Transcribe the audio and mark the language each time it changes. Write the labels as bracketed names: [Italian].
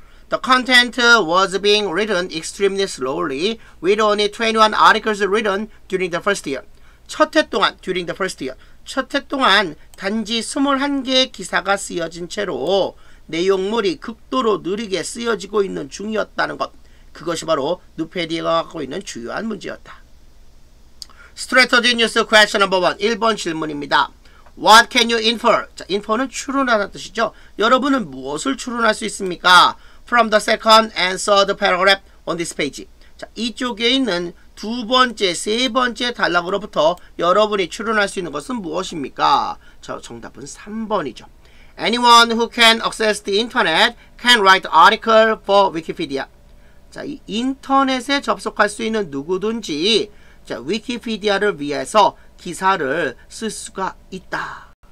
[English] The content was being written extremely slowly with only 21 articles written during the first year. [Korean] 첫 해 동안, [English] during the first year. [Korean] 첫 해 동안 단지 21개의 기사가 쓰여진 채로 내용물이 극도로 느리게 쓰여지고 있는 중이었다는 것. 그것이 바로 누페디아가 갖고 있는 주요한 문제였다. [English] Strategy News Question Number 1. [Korean] 1번 질문입니다. [English] What can you infer? [Korean] 자, infer는 추론하다는 뜻이죠. 여러분은 무엇을 추론할 수 있습니까? [English] From the second and third paragraph on this page. [Korean] 자, 이쪽에 있는 두 번째, 세 번째 단락으로부터 여러분이 추론할 수 있는 것은 무엇입니까? 자, 정답은 3번이죠. [English] Anyone who can access the internet can write article for Wikipedia. [Korean] 자, 이 인터넷에 접속할 수 있는 누구든지, 자, 위키피디아를 위해서 기사를 쓸 수가 있다.